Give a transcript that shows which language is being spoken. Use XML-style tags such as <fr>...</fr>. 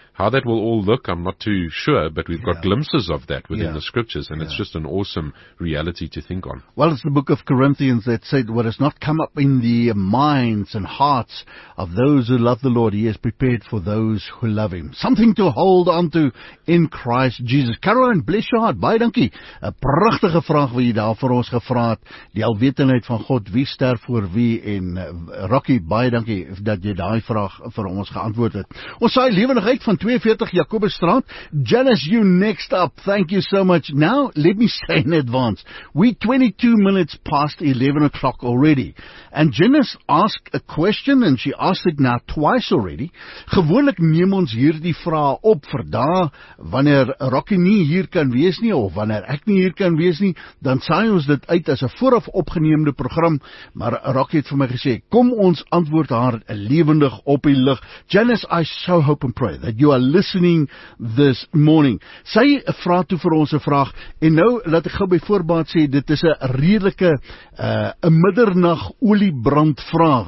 <en>How that will all look, I'm not too sure, but we've got glimpses of that within the scriptures, and it's just an awesome reality to think on. Well, it's the book of Corinthians that said, what has not come up in the minds and hearts of those who love the Lord, he has prepared for those who love him. Something to hold on to in Christ Jesus. Caroline, bless your heart.</en> <af>Baie dankie. A prachtige vraag wat jy daar vir ons gevra het. Die alwetendheid van God, wie sterf voor wie? En Rocky, baie dankie dat jy daai vraag vir ons geantwoord het. Ons saai lewendig uit van 42 Jakobusstraat. Janice,</af> <en>you next up. Thank you so much. Now, let me say in advance, we 22 minutes past 11 o'clock already. And Janice asked a question, and she asked it now twice already.</en> <af>Gewoonlik neem ons hier die vraag op vir daar, wanneer Rocky nie hier kan wees nie, of wanneer ek nie hier kan wees nie, dan saai ons dit uit as 'n vooraf opgeneemde program. Maar Rocky het vir my gesê, kom ons antwoord haar lewendig op die lig.</af> <en>Janice, I so hope and pray that you are listening this morning.</en> <af>Sy vra toe vir ons 'n vraag, en nou laat ek gou by voorbaat sê, dit is 'n redelike 'n middernag oliebrand vraag.</af>